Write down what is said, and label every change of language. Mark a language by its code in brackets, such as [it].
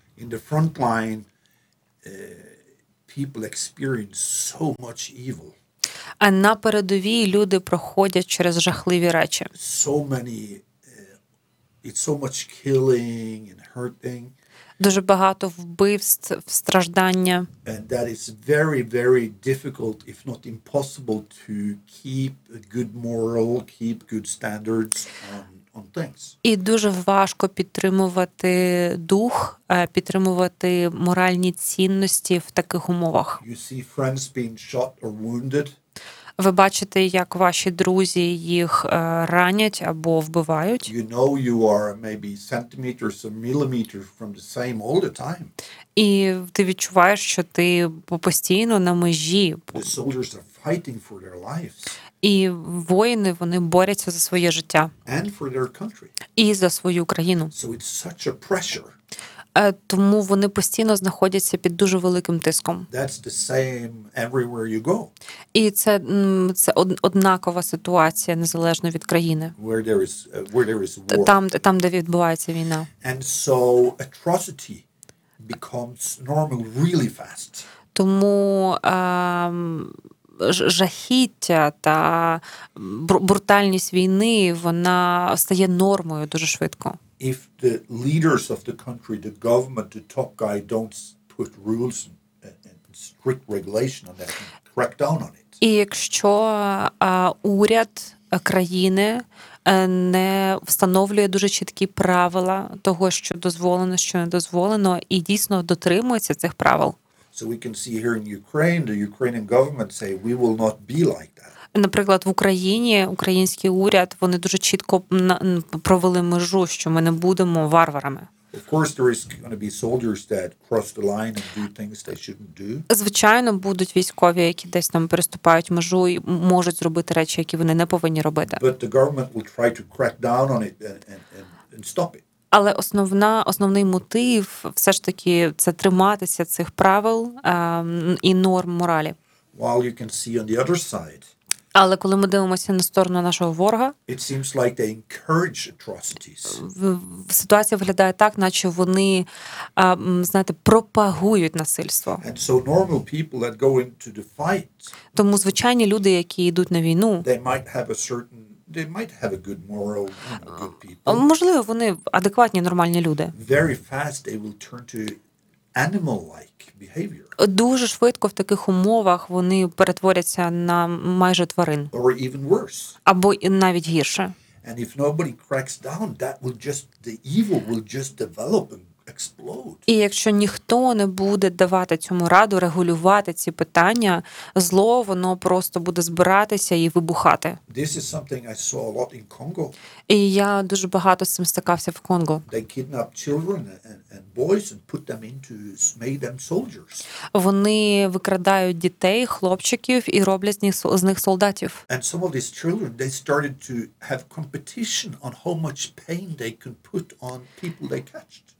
[en] In the front line, people experience so much evil. [uk] А на передовій люди проходять через жахливі речі. [en] So many, it's so much killing and hurting. [uk] Дуже багато вбивств, страждання. [en] And that is very, very difficult, if not impossible, to keep a good moral, keep good standards on things. [uk] І дуже важко підтримувати дух, підтримувати моральні цінності в таких умовах. [en] You see friends being shot or wounded. [uk] Ви бачите, як ваші друзі їх ранять або вбивають. [en] You know you are maybe centimeters or millimeters from the same all the time. [uk] І ти відчуваєш, що ти постійно на межі. [en] The soldiers are fighting for their lives. [uk] І воїни, вони борються за своє життя. [en] And for their country. [uk] І за свою країну. [en] So it's such a pressure. [uk] Тому вони постійно знаходяться під дуже великим тиском. [en] That's the same everywhere you go. [uk] І це однакова ситуація, незалежно від країни. [en] Where there is war. [uk] Там, де відбувається війна. [en] And so atrocity becomes normal really fast. [uk] Тому жахіття та брутальність війни, вона стає нормою дуже швидко. [en] If the leaders of the country, the government, the top guy don't put rules and strict regulation on that, crack down on it. [uk] І якщо уряд країни не встановлює дуже чіткі правила того, що дозволено, що не дозволено, і дійсно дотримується цих правил. [en] So we can see here in Ukraine, the Ukrainian government say we will not be like that. [uk] Наприклад, в Україні український уряд, вони дуже чітко провели межу, що ми не будемо варварами. [en] Of course there is going to be soldiers that cross the line and do things they shouldn't do. [uk] Звичайно, будуть військові, які десь там переступають межу і можуть зробити речі, які вони не повинні робити. [en] But the government will try to crack down on it and stop it. [uk] Але основний мотив все ж таки це триматися цих правил і норм моралі. [en] While you can see on the other side. [uk] Але коли ми дивимося на сторону нашого ворога, [en] it seems like they encourage atrocities. [uk] Ситуація виглядає так, наче вони, знаєте, пропагують насильство. [en] And so normal people that go into the fight. [uk] Тому звичайні люди, які йдуть на війну, [en] they might have a certain they might have a good moral, you know, good people. [uk] Можливо, вони адекватні, нормальні люди. [en] Very fast they will turn to animal-like behavior. [uk] Дуже швидко в таких умовах вони перетворяться на майже тварин. [en] Or even worse. [uk] Або навіть гірше. [en] And if nobody cracks down, that will just the evil will just develop and explode. [uk] І якщо ніхто не буде давати цьому раду регулювати ці питання, зло воно просто буде збиратися і вибухати. [en] This is something I saw a lot in Congo. [uk] І я дуже багато з цим стикався в Конго. [en] They kidnap children and boys and put them into make them soldiers. [uk] Вони викрадають дітей, хлопчиків і роблять з них солдатів. [en] And some of these children they started to have competition on how much pain they can put on people they catched.